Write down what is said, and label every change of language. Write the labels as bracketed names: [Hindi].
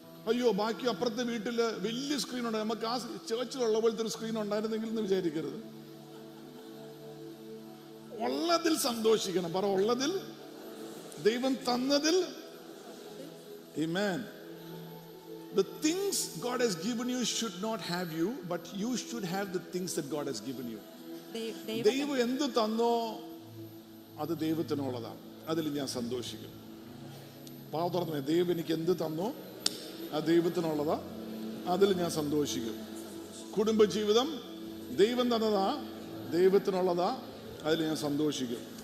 [Malayalam] അയ്യോ ബാക്കി അപ്പുറത്തെ വീട്ടില് വലിയ സ്ക്രീൻ ഉണ്ട്, നമുക്ക് ആ ചേർച്ചിലുള്ള പോലത്തെ ഒരു സ്ക്രീൻ ഉണ്ടായിരുന്നെങ്കിൽ എന്ന് വിചാരിക്കരുത്. ഉള്ളതിൽ സന്തോഷിക്കണം, പറ ഉള്ളതിൽ, ദൈവം തന്നതിൽ. ആമേൻ. [English] The things God has given you should not have you, but you should have the things that God has given you. [Malayalam] ദൈവം എന്തു തന്നോ അത് ദൈവത്തിനുള്ളതാണ്, അതിൽ ഞാൻ സന്തോഷിക്കും. പാവം തുറന്നേ, ദൈവം എനിക്ക് എന്ത് തന്നോ അത് ദൈവത്തിനുള്ളതാ, അതിൽ ഞാൻ സന്തോഷിക്കും. കുടുംബജീവിതം ദൈവം തന്നതാ, ദൈവത്തിനുള്ളതാ, അതിൽ ഞാൻ സന്തോഷിക്കും.